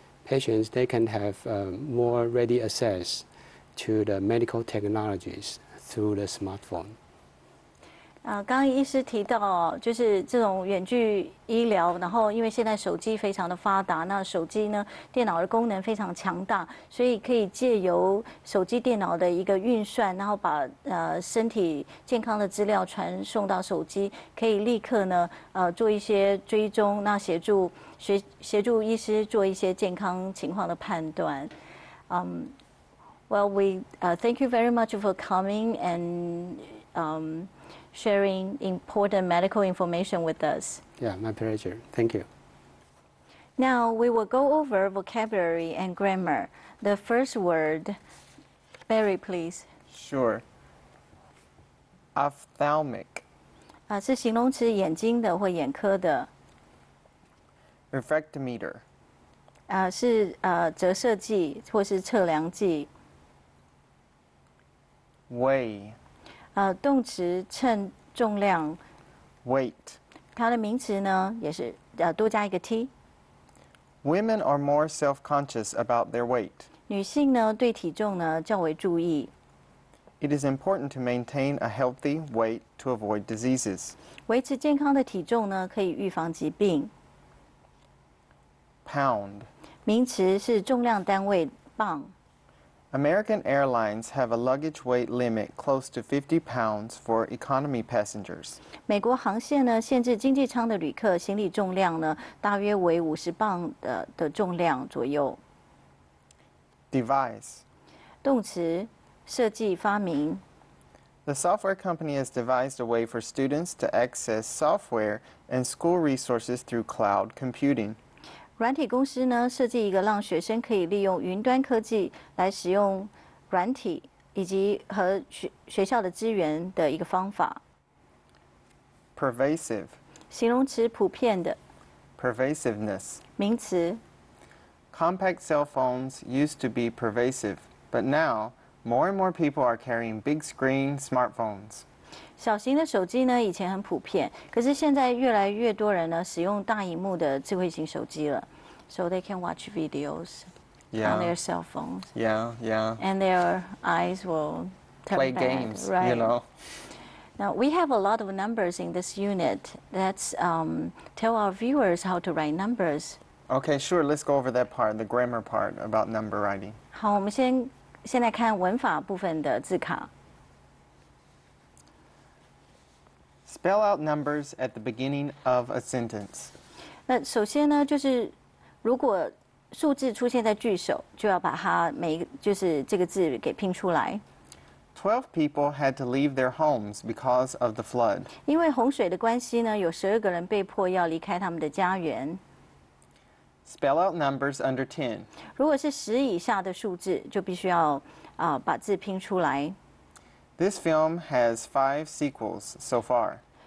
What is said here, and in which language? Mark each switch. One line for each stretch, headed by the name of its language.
English: Patients, they can have more ready access to the medical technologies through the smartphone.
Chinese: 刚刚医师提到，就是这种远距医疗，然后因为现在手机非常的发达，那手机呢，电脑的功能非常强大，所以可以借由手机电脑的一个运算，然后把身体健康的资料传送到手机，可以立刻呢做一些追踪，那协助医师做一些健康情况的判断。
English: Well, we thank you very much for coming and sharing important medical information with us. Yeah, my pleasure. Thank you. Now we will go over vocabulary and grammar. The first word, Barry, please. Sure. Ophthalmic.
Chinese: 是形容词，眼睛的或眼科的。
English: Refractometer.
Chinese: 是折射计或是测量计。
English: Weigh.
Chinese: 动词称重量
English: ，weight，
Chinese: 它的名词呢也是多加一个 t。
English: Women are more self-conscious about their weight。
Chinese: 女性呢对体重呢较为注意。
English: It is important to maintain a healthy weight to avoid diseases。
Chinese: 维持健康的体重呢可以预防疾病。
English: Pound，
Chinese: 名词是重量单位磅。
English: American Airlines have a luggage weight limit close to 50 pounds for economy passengers.
Chinese: 美国航线呢限制经济舱的旅客行李重量呢大约为50磅的重量左右。
English: Device.
Chinese: 动词设计发明。
English: The software company has devised a way for students to access software and school resources through cloud computing.
Chinese: 软体公司呢，设计一个让学生可以利用云端科技来使用软体以及和学校的资源的一个方法。
English: Pervasive，
Chinese: 形容词，普遍的。
English: Pervasiveness，
Chinese: 名词。
English: Compact cell phones used to be pervasive, but now more and more people are carrying big screen smartphones.
Chinese: 小型的手机呢，以前很普遍，可是现在越来越多人呢使用大萤幕的智慧型手机了。
English: So they can watch videos on their cell phones. Yeah, yeah. And their eyes will turn play bad, games, right? You know. Now we have a lot of numbers in this unit. Let's tell our viewers how to write numbers. Okay, sure. Let's go over that part, the grammar part about number writing.
Chinese: 好，我们现在看文法部分的字卡。
English: Spell out numbers at the beginning of a sentence.
Chinese: 那首先呢，就是如果数字出现在句首，就要把它每就是这个字给拼出来。
English: 12 people had to leave their homes because of the flood.
Chinese: 因为洪水的关系呢，有12个人被迫要离开他们的家园。
English: Spell out numbers under 10.
Chinese: 如果是10以下的数字，就必须要把字拼出来。
English: This film has 5 sequels so far.